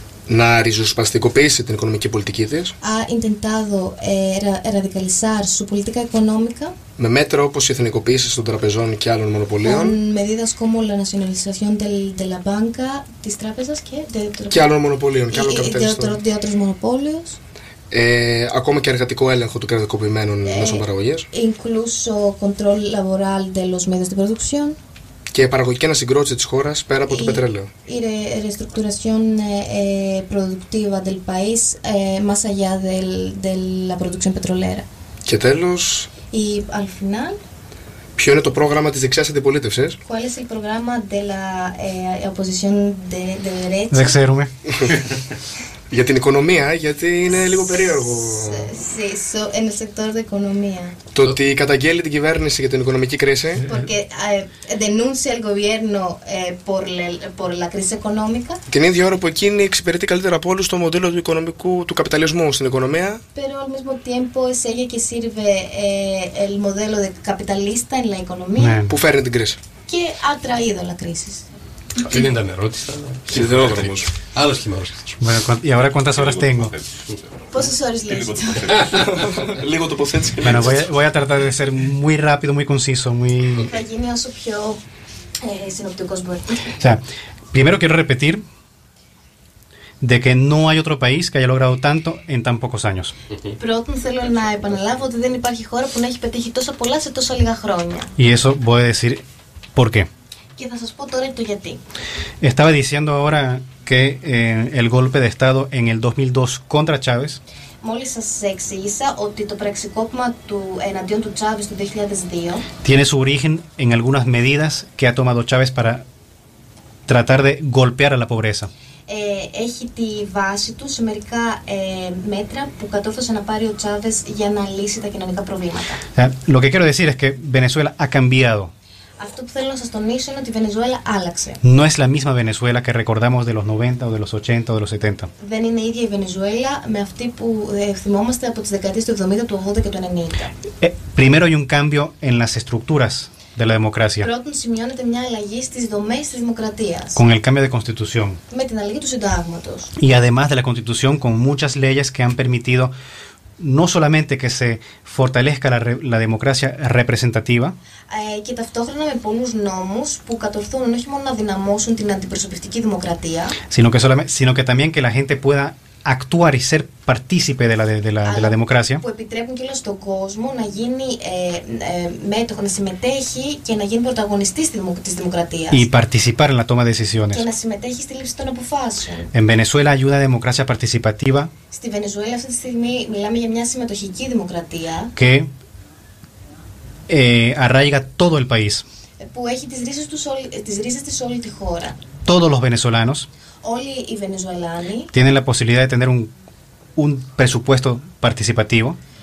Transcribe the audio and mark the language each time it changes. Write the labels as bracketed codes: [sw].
[el] να ριζοσπαστικοποιήσει την οικονομική πολιτική της. [es] Ha intentado radicalizar su política económica. [el] Με μέτρα όπως η εθνικοποίηση των τραπεζών και άλλων μονοπωλίων. [es] Con medidas como la nacionalización de la banca, [el] της τράπεζας και και άλλων μονοπωλίων, και άλλων καπιταλιστών. [es] De otros monopolios. [el] Ακόμα και εργατικό έλεγχο του κρατικοποιημένων μέσων παραγωγής. [es] Incluso control laboral de los medios de producción. [el] Και παραγωγική ανασυγκρότηση της χώρας πέρα από το πετρέλαιο. [es] Y reestructuración productiva del país más allá de la producción petrolera. [el] Και τέλος. [es] Y al final. [el] Ποιο είναι το πρόγραμμα της δεξιάς αντιπολίτευσης? [es] ¿Cuál es el programa de la oposición de derecha? [el] Δεν ξέρουμε. Για την οικονομία, γιατί είναι λίγο περίεργο. [es] Sí, so en el sector de economía. [el] Το ότι καταγγέλει την κυβέρνηση για την οικονομική κρίση. [es] Porque denuncia el gobierno por la crisis económica. [el] Την ίδια ώρα που εκείνη εξυπηρετεί καλύτερα από όλους το μοντέλο του οικονομικού, του καπιταλισμού στην οικονομία. [es] Pero al mismo tiempo es ella que sirve el modelo de capitalista en la economía. [el] Που φέρνει την κρίση. [es] Και ha traído la crisis. [el] Δεν ήταν ερώτηση. Σιδερόδρομο. Άλλο χειμώνα. [es] Bueno, y ahora cuántas horas tengo. [el] Πόσες ώρες λες. Λίγο τοποθέτηση. [es] Bueno, voy a tratar de ser muy rápido, muy conciso. [el] Θα γίνει όσο πιο συνοπτικό μπορεί. [es] O sea, primero quiero repetir de que no hay otro país que haya logrado tanto en tan pocos años. [el] Πρώτον, θέλω να επαναλάβω ότι δεν υπάρχει χώρα που να έχει πετύχει τόσο πολλά σε τόσο λίγα χρόνια. [es] Y eso voy a decir por qué. [el] Και θα σας πω τώρα το γιατί. [es] Estaba diciendo ahora que el golpe de Estado en el 2002 contra Chávez. [el] Μόλις σας εξήγησα ότι το πραξικόπημα του εναντίον του Chávez το 2002 [es] tiene su origen en algunas medidas que ha tomado Chávez para tratar de golpear a la pobreza. [el] Έχει τη βάση του σε μερικά μέτρα που κατόρθωσε να πάρει ο Chávez για να λύσει τα κοινωνικά προβλήματα. [es] Lo que quiero decir es que Venezuela ha cambiado. [el] Αυτό που θέλω να σας τονίσω είναι ότι η Βενεζουέλα άλλαξε. [es] No es la misma Venezuela que recordamos de los 90 o de los 80 o de los 70. [el] Δεν είναι η ίδια η Βενεζουέλα με αυτή που θυμόμαστε από τις δεκαετίες του 70, του 80 και του 90. [es] Primero hay un cambio en las estructuras de la democracia. [el] Πρώτον σημειώνεται μια αλλαγή στις δομές της δημοκρατίας. [es] Con el cambio de constitución. [el] Με την αλλαγή του συντάγματος. [es] Y además de la constitución con muchas leyes que han permitido no solamente que se fortalezca la democracia representativa, [el] και ταυτόχρονα με πολλούς νόμους που κατορθούν όχι μόνο να δυναμώσουν την αντιπροσωπευτική δημοκρατία, [es] sino que también que la gente pueda actuar y ser partícipe de la democracia, [el] που επιτρέπουν και στον κόσμο να γίνει μέτοχο, να συμμετέχει και να γίνει πρωταγωνιστής της δημοκρατίας, [es] y participar en la toma de decisiones, [el] και να συμμετέχει στη λήψη των αποφάσεων. [es] En Venezuela ayuda a democracia participativa, [el] στη Βενεζουέλα αυτή τη στιγμή μιλάμε για μια συμμετοχική δημοκρατία, [es] que arraiga todo el país, [el] που έχει τις ρίζες της όλη τη χώρα. [es] Todos los venezolanos, [el] όλοι οι Βενεζουελάνοι, [es] tienen la posibilidad de tener un presupuesto participativo,